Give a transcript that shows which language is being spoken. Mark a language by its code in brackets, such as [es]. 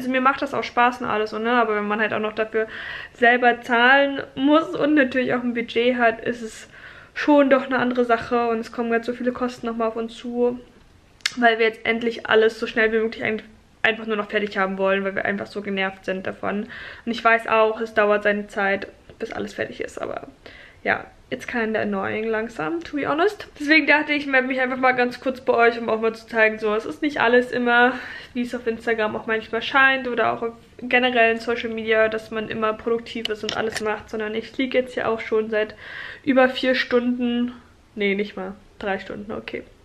[de] Also mir macht das auch Spaß und alles, ne? Aber wenn man halt auch noch dafür selber zahlen muss und natürlich auch ein Budget hat, ist es schon doch eine andere Sache. Und es kommen jetzt so viele Kosten nochmal auf uns zu, weil wir jetzt endlich alles so schnell wie möglich einfach nur noch fertig haben wollen, weil wir einfach so genervt sind davon. Und ich weiß auch, es dauert seine Zeit, bis alles fertig ist, aber ja. [en] It's kind of annoying [de] langsam, [en] to be honest. [de] Deswegen dachte ich, melde mich einfach mal ganz kurz bei euch, um auch mal zu zeigen, so, es ist nicht alles immer, wie es auf Instagram auch manchmal scheint oder auch auf generellen Social Media, dass man immer produktiv ist und alles macht, sondern ich liege jetzt hier auch schon seit über 4 Stunden, nee, nicht mal, 3 Stunden, okay.